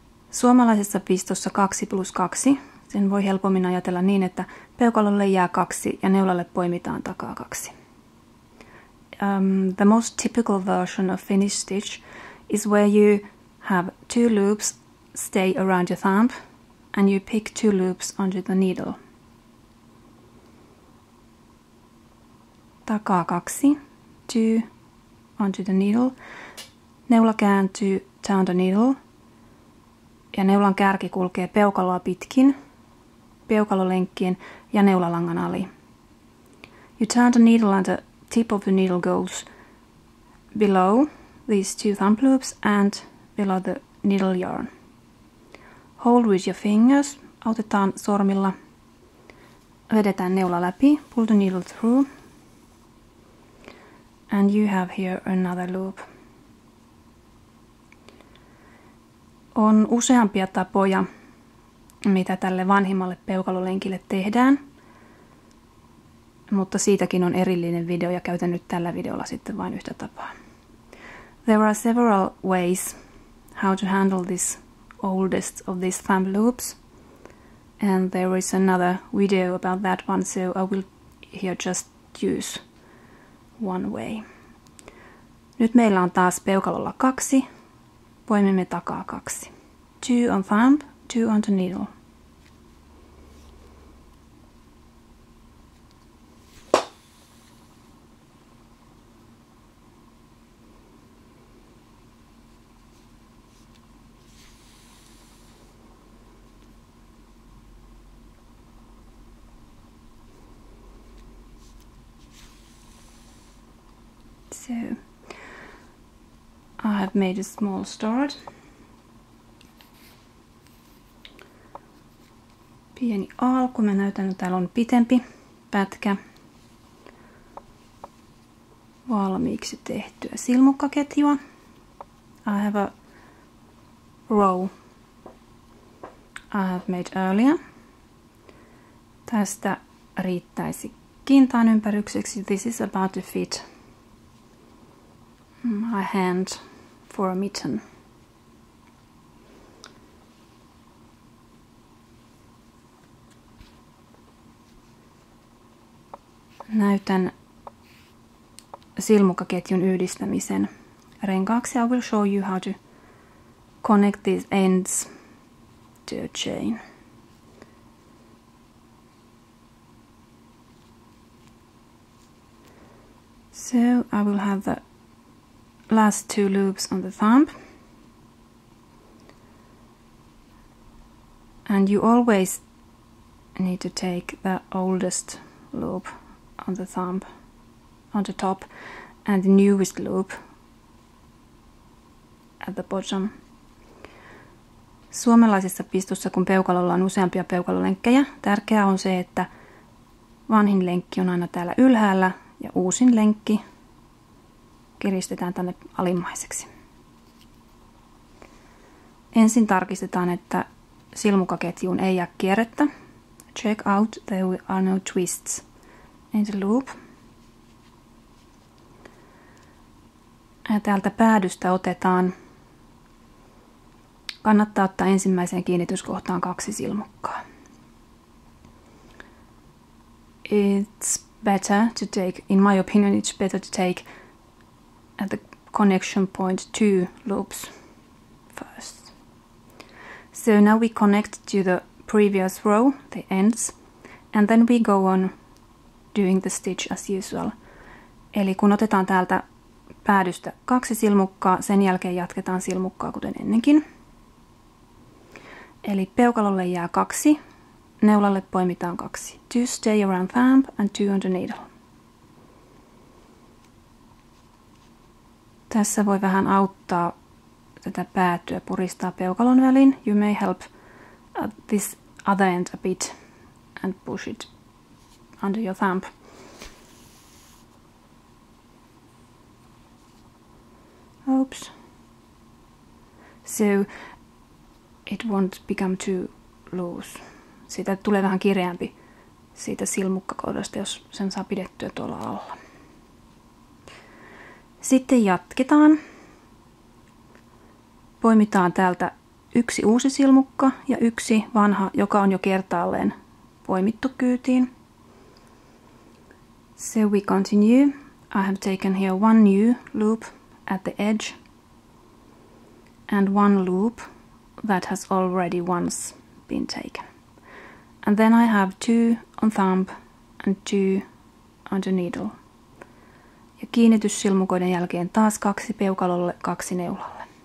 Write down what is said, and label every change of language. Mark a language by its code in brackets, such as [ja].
[fi] Suomalaisessa pistossa 2 plus 2, sen voi helpommin ajatella niin, että peukalolle jää 2 ja neulalle poimitaan takaa 2. [en] The most typical version of finished stitch is where you have two loops stay around your thumb and you pick two loops onto the needle. [fi] Takaa [en] 2, 2, onto the needle. [fi] Neula kääntyy [en] down the needle [fi] ja neulan kärki kulkee peukaloa pitkin, peukalolenkkien ja neulalangan ali. [en] You turn the needle and the tip of the needle goes below these two thumb loops and below the needle yarn. Hold with your fingers, [fi] autetaan sormilla. Vedetään neula läpi, [en] pull the needle through. And you have here another loop. [fi] On useampia tapoja, mitä tälle vanhimmalle peukalolenkille tehdään. Mutta siitäkin on erillinen video ja käytän nyt tällä videolla sitten vain yhtä tapaa. [en] There are several ways how to handle this oldest of these thumb loops. And there is another video about that one, so I will here just use one way. [fi] Nyt meillä on taas peukalolla 2. Poimimme takaa 2. [en] Two on thumb, two on the needle. So, I have made a small start. [fi] Pieni alku, mä näytän, että täällä on pitempi pätkä. Valmiiksi tehtyä silmukkaketjua. [en] I have a row I have made earlier. [fi] Tästä riittäisi kintaan ympärykseksi. [en] This is about to fit my hand for a mitten. [fi] Näytän silmukkaketjun yhdistämisen renkaaksi. [en] I will show you how to connect these ends to a chain. So I will have the last two loops on the thumb. And you always need to take the oldest loop on the thumb, on the top, and the newest loop at the bottom. [fi] Suomalaisessa pistossa, kun peukalolla on useampia peukalolenkkejä, tärkeää on se, että vanhin lenkki on aina täällä ylhäällä ja uusin lenkki kiristetään tänne alimmaiseksi. Ensin tarkistetaan, että silmukkaketjuun ei jää kierrettä. [en] Check out there are no twists in the loop. [fi] Ja täältä päädystä otetaan. Kannattaa ottaa ensimmäiseen kiinnityskohtaan 2 silmukkaa. [en] It's better to take, in my opinion, it's better to take at the connection point 2 loops first. So now we connect to the previous row, the ends, and then we go on doing the stitch as usual. [fi] Eli kun otetaan täältä päädystä 2 silmukkaa, sen jälkeen jatketaan silmukkaa kuten ennenkin. Eli peukalolle jää 2 Neulalle poimitaan kaksi. [en] Two stay around thumb and two on the needle. [fi] Tässä voi vähän auttaa tätä päätyä, puristaa peukalon väliin. [en] You may help at this other end a bit and push it under your thumb. Oops. So it won't become too loose. [fi] Siitä tulee vähän kireämpi siitä silmukkakohdasta, jos sen saa pidettyä tuolla alla. Sitten jatketaan. Poimitaan täältä yksi uusi silmukka ja yksi vanha, joka on jo kertaalleen poimittu kyytiin. [en] So we continue. I have taken here one new loop at the edge and one loop that has already once been taken. And then I have two on thumb and two on the needle. [fi] Ja kiinnityssilmukoiden jälkeen taas kaksi peukalolle, kaksi neulalle.